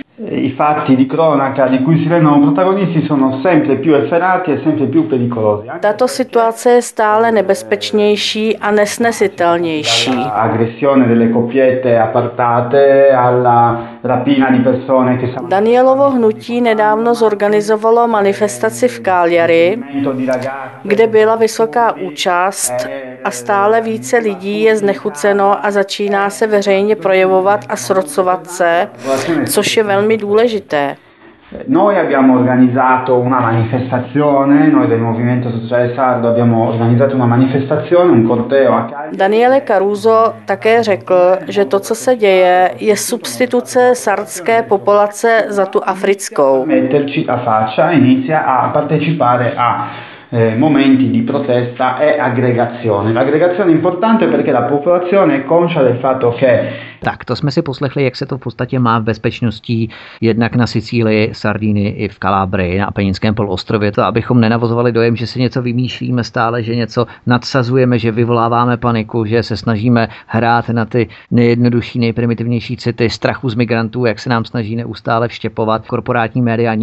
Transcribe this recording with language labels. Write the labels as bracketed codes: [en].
[it] I fatti di cronaca di cui si rendono protagonisti sono sempre più efferati e sempre più pericolosi. [cs] Tato situace je stále nebezpečnější a nesnesitelnější. [it] Aggressione delle coppiette appartate alla rapina di persone che sono. [cs] Danielovo hnutí nedávno zorganizovalo manifestaci v Cagliari, kde byla vysoká účast a stále více lidí je znechuceno a začíná se veřejně projevovat a srocovat se, což je velmi důležité. [it] Noi abbiamo organizzato una manifestazione, noi del Movimento Sociale Sardo abbiamo organizzato una manifestazione, un corteo. [cs] Daniele Caruso také řekl, že to, co se děje, je substituce sardské populace za tu africkou. [it] Metterci la faccia inizia a partecipare a momenti di protesta e aggregazione. L'aggregazione è importante perché la popolazione è conscia del fatto che. [cs] Tak, to jsme si poslechli, jak se to v podstatě má v bezpečnosti jednak na Sicílii, Sardinii i v Kalábrii, na Apeninském poloostrově. To, abychom nenavozovali dojem, že se něco vymýšlíme stále, že něco nadsazujeme, že vyvoláváme paniku, že se snažíme hrát na ty nejjednodušší, nejprimitivnější city strachu z migrantů, jak se nám snaží neustále vštěpovat korporátní média.